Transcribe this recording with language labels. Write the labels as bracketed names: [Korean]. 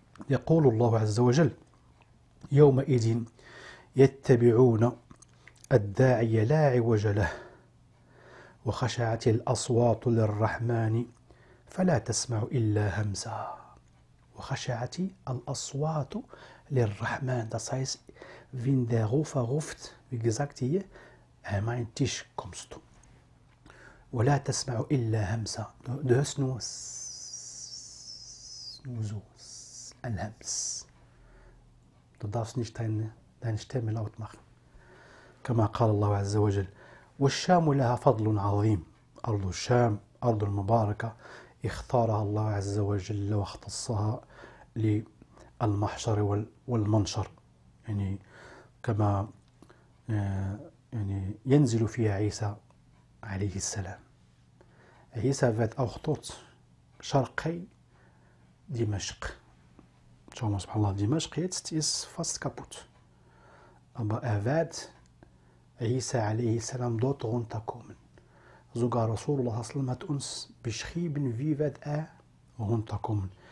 [Arabic] يقول الله عز وجل: يومئذ يتبعون الداعي لا عوج له وخشعت الأصوات للرحمن فلا تسمع إلا همسا. وخشعت الأصوات للرحمن, [German] das heißt, wenn der Rufer ruft, wie gesagt hier, an meinen Tisch kommst du. [Arabic] ولا تسمع إلا همسا. [German] Du hörst nur so, الهمس. Du darfst nicht deine Stimme laut machen. [Arabic] كما قال الله عز وجل: والشام لها فضل عظيم. أرض الشام, أرض المباركة, اختارها الله عز وجل واختصها للمحشر والمنشر, يعني كما يعني ينزل فيها عيسى عليه السلام. [German] عيسى wird auch dort [Arabic] شرقي دمشق. [German] Schau mal, subhanallah, Dimashq jetzt ist fast kaputt. Aber er wird Isa alayhi salam dort runterkommen. Sogar Rasulullah sallam hat uns beschrieben, wie wird er runterkommen.